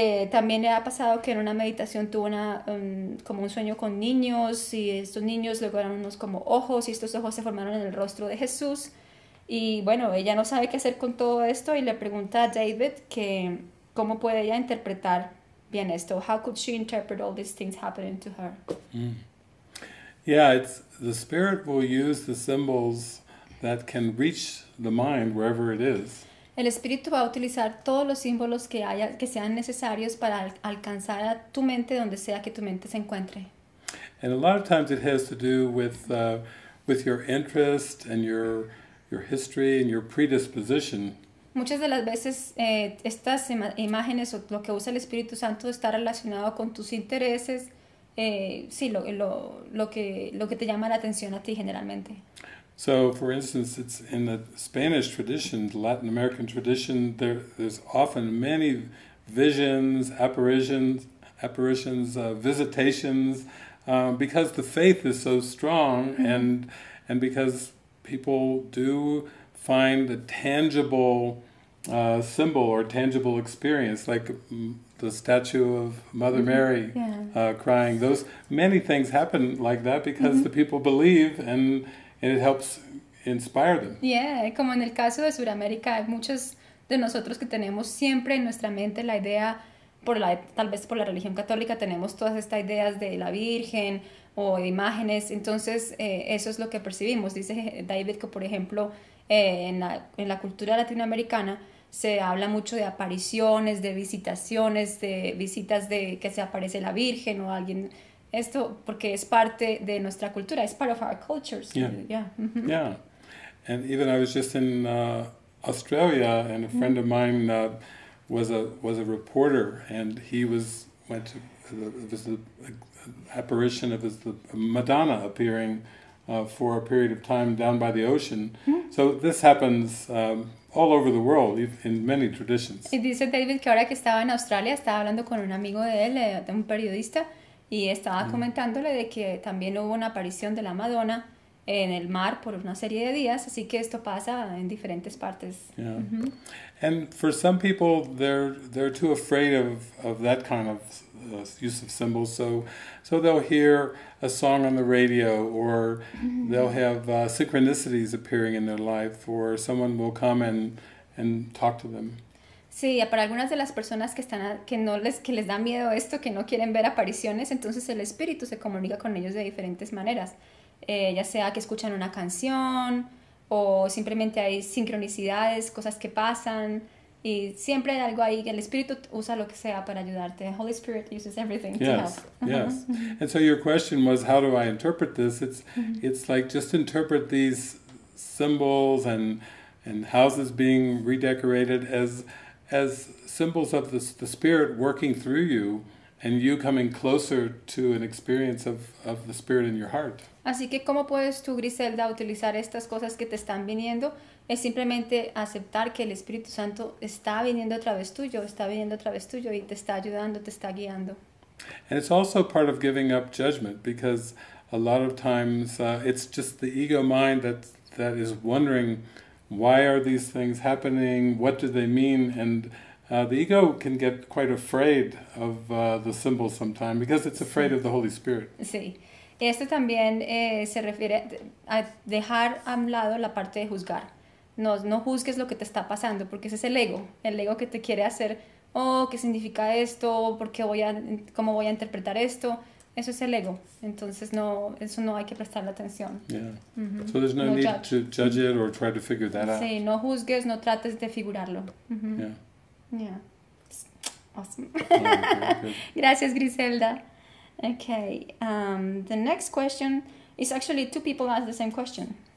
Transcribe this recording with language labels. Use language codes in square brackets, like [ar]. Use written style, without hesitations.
[es] También le ha pasado que en una meditación tuvo una como un sueño con niños y estos niños luego eran unos como ojos y estos ojos se formaron en el rostro de Jesús. Y bueno, ella no sabe qué hacer con todo esto y le pregunta a David que cómo puede ella interpretar bien esto. [en] How could she interpret all these things happening to her? Yeah, it's the spirit will use the symbols that can reach the mind wherever it is. [es] El espíritu va a utilizar todos los símbolos que haya, que sean necesarios para alcanzar a tu mente donde sea que tu mente se encuentre. [en] And a lot of times it has to do with your interest and your history and your predisposition. [es] Muchas de las veces estas imágenes o lo que usa el Espíritu Santo está relacionado con tus intereses, lo que te llama la atención a ti generalmente. [en] So, for instance, it's in the Spanish tradition, the Latin American tradition, there's often many visions, apparitions, visitations, because the faith is so strong and because people do find a tangible symbol or tangible experience, like the statue of Mother Mary crying. Those many things happen like that because the people believe and it helps inspire them. [es] Yeah, como en el caso de Sudamérica, hay muchos de nosotros que tenemos siempre en nuestra mente la idea, tal vez por la religión católica, tenemos todas estas ideas de la Virgen o imágenes. Entonces, eso es lo que percibimos. Dice David que, por ejemplo, en la cultura latinoamericana se habla mucho de apariciones, de visitaciones, de visitas de que se aparece la Virgen o alguien. Esto porque es parte de nuestra cultura, es [en] part of our cultures. Yeah. And even I was just in Australia, and a friend of mine was a reporter, and he went to the apparition of Madonna appearing for a period of time down by the ocean. So this happens all over the world in many traditions. [es] Y dice David que ahora que estaba en Australia, estaba hablando con un amigo de él, de un periodista. Y estaba comentándole de que también hubo una aparición de la Madonna en el mar por una serie de días, así que esto pasa en diferentes partes. [en] Yeah. And for some people they're too afraid of that kind of use of symbols, so they'll hear a song on the radio or they'll have synchronicities appearing in their life or someone will come and talk to them. [es] Sí, para algunas de las personas que les da miedo esto, que no quieren ver apariciones, entonces el espíritu se comunica con ellos de diferentes maneras, ya sea que escuchan una canción o simplemente hay sincronicidades, cosas que pasan, y siempre hay algo ahí que el espíritu usa lo que sea para ayudarte. [en] The Holy Spirit uses everything to help. Yes. And so your question was, how do I interpret this? It's like just interpret these symbols and houses being redecorated as symbols of the spirit working through you and you coming closer to an experience of the spirit in your heart. [es] Así que cómo puedes tú, Griselda, utilizar estas cosas que te están viniendo es simplemente aceptar que el Espíritu Santo está viniendo a través tuyo y te está ayudando, te está guiando. [en] And it's also part of giving up judgment because a lot of times it's just the ego mind that is wondering, why are these things happening? What do they mean? And The ego can get quite afraid of the symbol sometimes because it's afraid of the Holy Spirit. [es] Sí. Esto también se refiere a dejar a un lado la parte de juzgar. No juzgues lo que te está pasando porque ese es el ego que te quiere hacer, oh, ¿qué significa esto? ¿Por qué voy a, cómo voy a interpretar esto? Eso es el ego. Entonces no, eso no hay que prestarle atención. [en] Yeah. Mm-hmm. So there's no need judge. To judge it or try to figure that out. [es] Sí, no juzgues, no trates de figurarlo. Mm-hmm. [en] Yeah. Yeah, awesome. Okay. Gracias, Griselda. Okay, the next question is actually two people asked the same question.